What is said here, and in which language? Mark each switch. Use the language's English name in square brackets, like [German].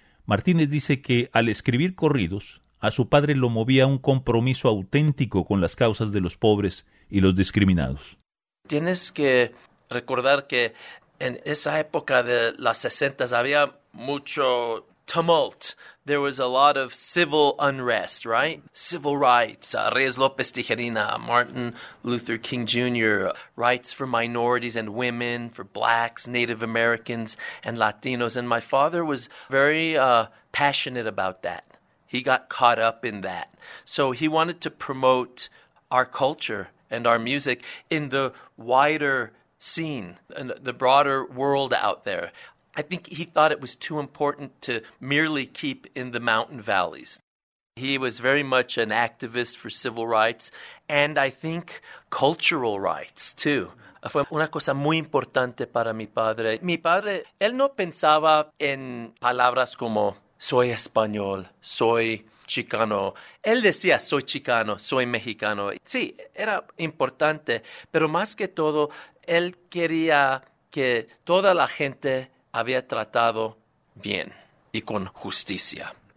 [Spanish] Martínez dice que al escribir corridos, a su padre lo movía un compromiso auténtico con las causas de los pobres y los discriminados. Tienes que recordar que en esa época de las 60 había mucho tumult. [English] There was a lot of civil unrest, right? Civil rights, Reyes López Tijerina, Martin Luther King Jr., rights for minorities and women, for blacks, Native Americans, and Latinos. And my father was very passionate about that. He got caught up in that. So he wanted to promote our culture and our music in the wider scene, and the broader world out there. I think he thought it was too important to merely keep in the mountain valleys. He was very much an activist for civil rights and I think cultural rights too. [Spanish] Fue una cosa muy importante para mi padre. Mi padre, él no pensaba en palabras como soy español, soy chicano. Él decía soy chicano, soy mexicano. Sí, era importante, pero más que todo, él quería que toda la gente había tratado bien y con justicia.